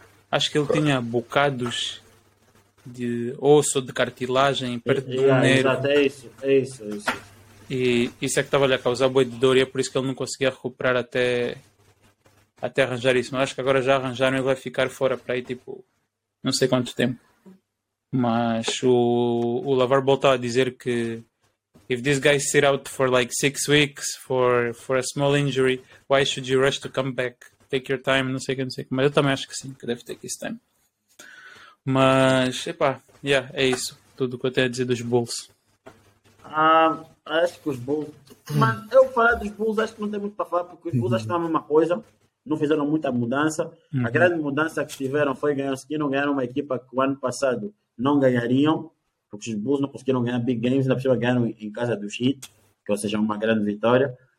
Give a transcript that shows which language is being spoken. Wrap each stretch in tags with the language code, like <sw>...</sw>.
<pt>Acho que ele tinha bocados de osso, de cartilagem, perto do nervo. Exato, é isso. E isso é que estava-lhe a causar boi de dor e é por isso que ele não conseguia recuperar até arranjar isso. Mas acho que agora já arranjaram e ele vai ficar fora para aí, tipo, não sei quanto tempo. Mas o LaVar Ball estava a dizer que</pt> <en>if this guy sit out for like 6 weeks for a small injury, why should you rush to come back? Take your time,</en> <pt>não sei o que, não sei o que. Mas eu também acho que sim, que deve ter que esse time. Mas, epá,</pt> <en>yeah,</en> <pt>é isso. Tudo o que eu tenho a dizer dos Bulls. Acho que os Bulls... Mas eu falar dos Bulls, acho que não tem muito para falar, porque os Bulls acho que é a mesma coisa. Não fizeram muita mudança. Uhum. A grande mudança que tiveram foi ganhar uma equipa que o ano passado não ganhariam, porque os Bulls não conseguiram ganhar big games, ainda precisava ganhar em casa dos Heat, que ou seja, uma grande vitória.</pt>